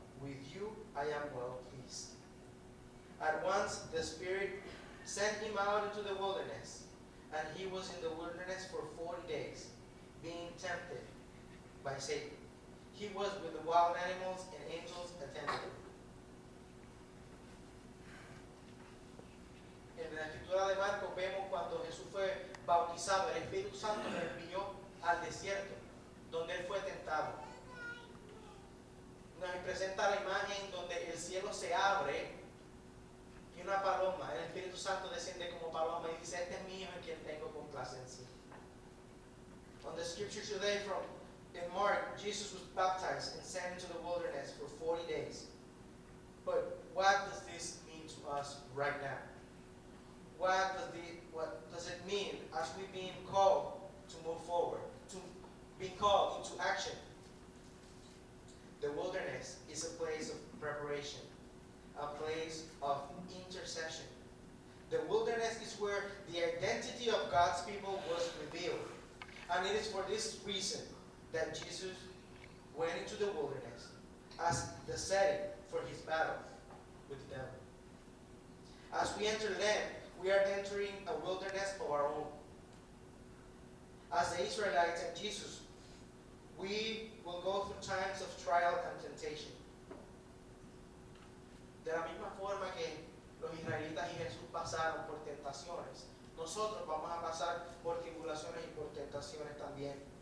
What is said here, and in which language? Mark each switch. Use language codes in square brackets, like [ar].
[en] With you I am well pleased." At once the Spirit sent him out into the wilderness, and he was in the wilderness for 40 days, being tempted by Satan. He was with the wild animals, and angels attended him. [es] En la escritura de Marcos vemos cuando Jesús fue bautizado, el Espíritu Santo lo envió al desierto, donde él fue tentado. Nos presenta la imagen donde el cielo se abre y una paloma, el Espíritu Santo desciende como paloma y dice, este es mío en quien tengo complacencia. [en] On the scripture today from in Mark, Jesus was baptized and sent into the wilderness for 40 days. But what does this mean to us right now? What does it mean as we being called to move forward, to be called into action? The wilderness is a place of preparation, a place of intercession. The wilderness is where the identity of God's people was revealed. And it is for this reason that Jesus went into the wilderness as the setting for his battle with the devil. As we enter Lent, we are entering a wilderness of our own. As the Israelites and Jesus, we will go through times of trial and temptation. [es] De la misma forma que los israelitas y Jesús pasaron por tentaciones, nosotros vamos a pasar por tribulaciones y por tentaciones también.